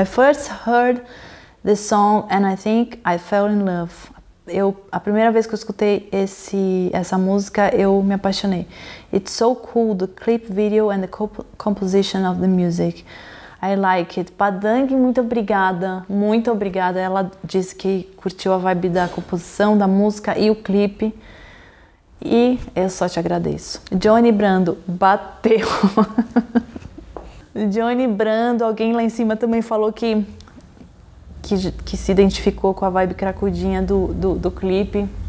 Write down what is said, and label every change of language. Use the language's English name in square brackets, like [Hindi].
[English] I first heard the song and I think I fell in love. [Portuguese] A primeira vez que eu escutei essa música, eu me apaixonei. [English] It's so cool, the clip video and the composition of the music. I like it. [Portuguese] Padang, muito obrigada. Muito obrigada. Ela disse que curtiu a vibe da composição, da música e o clipe. E eu só te agradeço. Johnny Brando, bateu. Johnny Brando, alguém lá em cima também falou que se identificou com a vibe cracudinha do clipe.